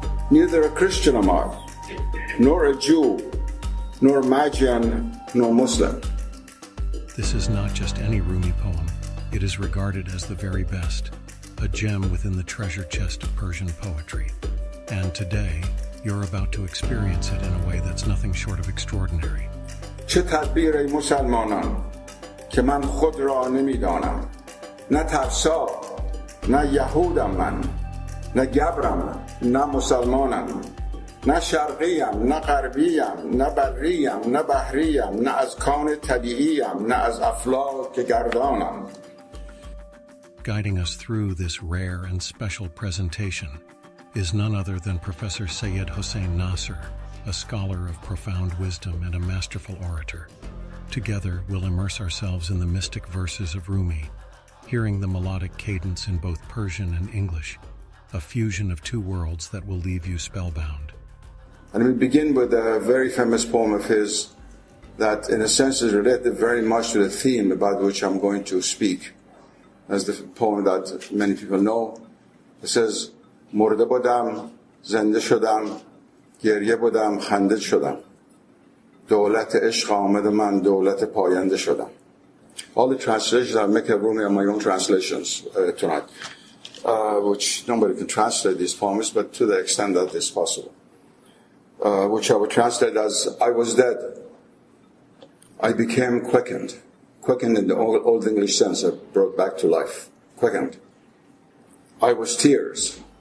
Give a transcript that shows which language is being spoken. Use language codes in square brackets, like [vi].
[en] Neither a Christian am I, nor a Jew, nor Magian, nor Muslim. This is not just any Rumi poem. It is regarded as the very best, a gem within the treasure chest of Persian poetry. And today, you're about to experience it in a way that's nothing short of extraordinary. [fa] چه تدبیر ای مسلمانان که من خود را نمیدانم نه ترسا نه یهودم من نه گبرم نه مسلمانم نه شرقیم نه غربیم نه بریم نه بحریم نه از کان طبیعیم نه از افلاک گردانم. [en] Guiding us through this rare and special presentation is none other than Professor Seyyed Hossein Nasr, a scholar of profound wisdom and a masterful orator. Together, we'll immerse ourselves in the mystic verses of Rumi, hearing the melodic cadence in both Persian and English, a fusion of two worlds that will leave you spellbound. And we begin with a very famous poem of his that, in a sense, is related very much to the theme about which I'm going to speak. As the poem that many people know, it says, [fa] مرده بودم، زنده شدم، گریه بودم، خنده شدم، دولت عشق آمد من، دولت پاینده شدم. [en] All the translations I make of Rumi are my own translations tonight, which nobody can translate these poems, but to the extent that is possible, which I would translate as, I was dead, I became quickened. Quickened in the old English sense of brought back to life. Quickened. I was tears.